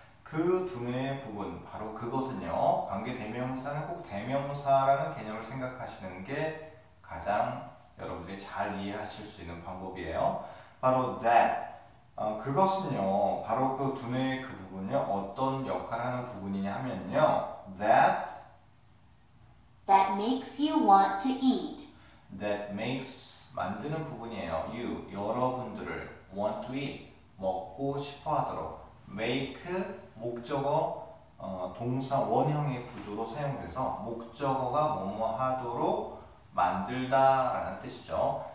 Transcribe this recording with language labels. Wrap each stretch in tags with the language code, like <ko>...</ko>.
<ko>그 두뇌의 부분, 바로 그것은요. 관계 대명사는 꼭 대명사라는 개념을 생각하시는 게 가장 여러분들이 잘 이해하실 수 있는 방법이에요. 바로 that. 그것은요. 바로 그 두뇌의 그 부분이요. 어떤 역할을 하는 부분이냐 하면요.</ko> <en>That. That makes you want to eat. That makes</en> <ko>만드는 부분이에요. You, 여러분들을</ko> <en>want to eat,</en> <ko>먹고 싶어 하도록. Make, 목적어, 동사 원형의 구조로 사용돼서 목적어가 뭐뭐 하도록 만들다 라는 뜻이죠.</ko>